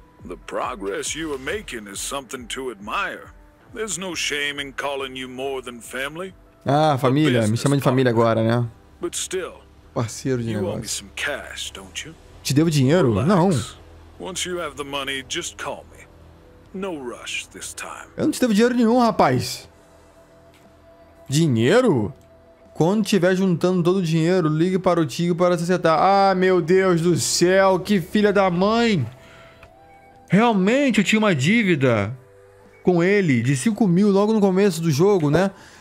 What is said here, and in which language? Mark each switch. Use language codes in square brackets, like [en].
[en] The progress you are making is something to admire. There's no shame in calling you more than family. [pt] Ah, família, me chama de família agora, né? [en] But still, [pt] parceiro de negócio. [en] You owe me some cash, don't you? [pt] Te devo dinheiro? [en] Relax. [pt] Não. [en] Once you have the money, just call me. No rush this time. [pt] Eu não te devo dinheiro nenhum, rapaz. Dinheiro? Quando tiver juntando todo o dinheiro, ligue para o tio para se acertar. Ah, meu Deus do céu, que filha da mãe! Realmente eu tinha uma dívida com ele de 5 mil logo no começo do jogo, né?